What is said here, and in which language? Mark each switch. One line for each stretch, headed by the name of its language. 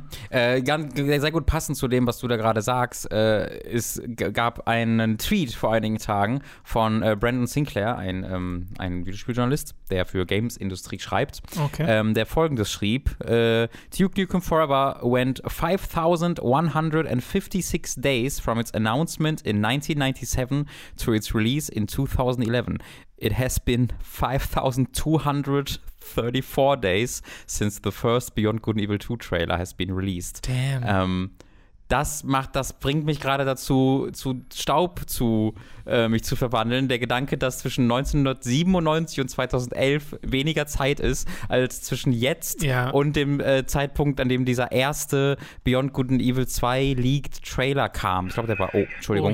German: Sehr gut passend zu dem, was du da gerade sagst, es gab einen Tweet vor einigen Tagen von Brandon Sinclair, ein Videospieljournalist, der für Games Industrie schreibt, der folgendes schrieb:
English: Duke Nukem Forever went 5,156 days from its announcement in 1997 to its release in 2011. It has been 5,234 days since the first Beyond Good and Evil 2 trailer has been released. Damn.
German: Das bringt mich gerade dazu, zu Staub zu mich zu verwandeln. Der Gedanke, dass zwischen 1997 und 2011 weniger Zeit ist, als zwischen jetzt und dem Zeitpunkt, an dem dieser erste Beyond Good and Evil 2 Leaked Trailer kam. Ich glaube, der war, Entschuldigung.